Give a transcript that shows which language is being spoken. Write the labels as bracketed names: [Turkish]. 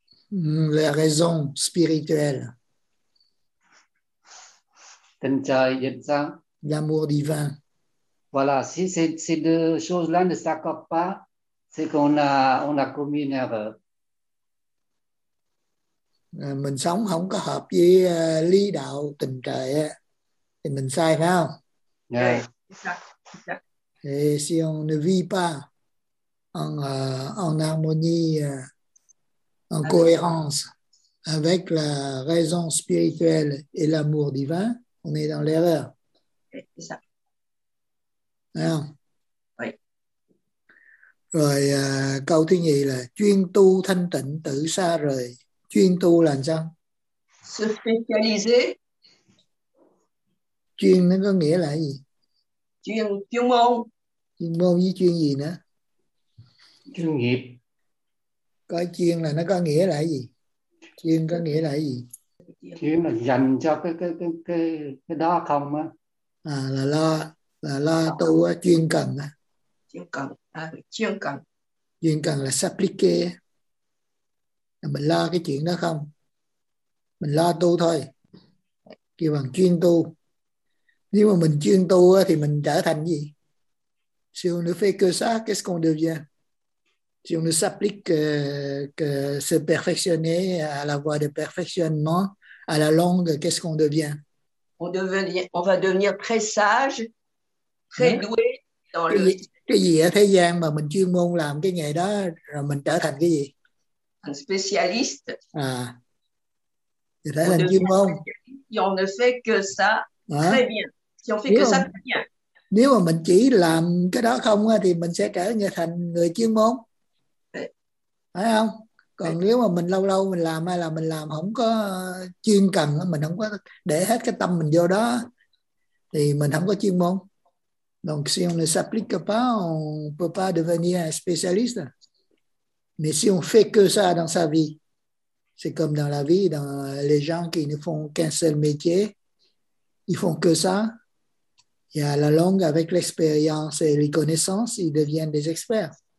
[French] La raison spirituelle. L'amour divin. Voilà, si ces deux choses-là ne s'accordent pas, c'est qu'on a commis une erreur. [Vietnamese] Mình sống không có hợp với lý đạo tình trời á, thì mình sai phải không? Yeah. [French] Et si on ne vit pas en harmonie, en cohérence avec la raison spirituelle et l'amour divin, on est dans l'erreur. C'est ça. Non. [Vietnamese] Rồi câu thứ nhì là chuyên tu thanh tịnh tự xa rời. Chuyên tu là sao? [French] Se spécialiser. [Vietnamese] Chuyên nó có nghĩa là gì? Chuyên môn. Chuyên môn với chuyên gì nữa? Chuyên nghiệp. Coi chiên là nó có nghĩa là gì? Chiên có nghĩa là gì? Chiên là dành cho cái đó không á. À, là lo tu á, chuyên cần á. Chuyên cần [French] là s'applique. [Vietnamese] Mình lo cái chuyện đó không? Mình lo tu thôi. Kêu bằng chuyên tu. Nếu mà mình chuyên tu á, thì mình trở thành gì? [French] Si on ne fait que ça, qu'est-ce qu'on devient? Si on ne s'applique que se perfectionner à la voie de perfectionnement, à la longue, qu'est-ce qu'on devient? On va devenir très sage, très doué dans le... [Vietnamese] Cái gì ở thế gian mà mình chuyên môn làm cái nghề đó, rồi mình trở thành cái gì? [French] Un spécialiste. [Vietnamese] À, trở thành chuyên môn. [French] Si on ne fait que ça, très bien. Si on fait que ça, très bien. [Vietnamese] Nếu mà mình chỉ làm cái đó không thì mình sẽ trở thành người chuyên môn. Phải không? Còn nếu mà mình lâu lâu mình làm hay là mình làm không có chuyên cần, mình không có để hết cái tâm mình vô đó thì mình không có chuyên môn. [French] Donc si on ne s'applique pas, on ne peut pas devenir un spécialiste. Mais si on fait que ça dans sa vie, c'est comme dans la vie, dans les gens qui ne font qu'un seul métier, ils font que ça. Et à la longue, avec l'expérience et les connaissances, ils deviennent des experts.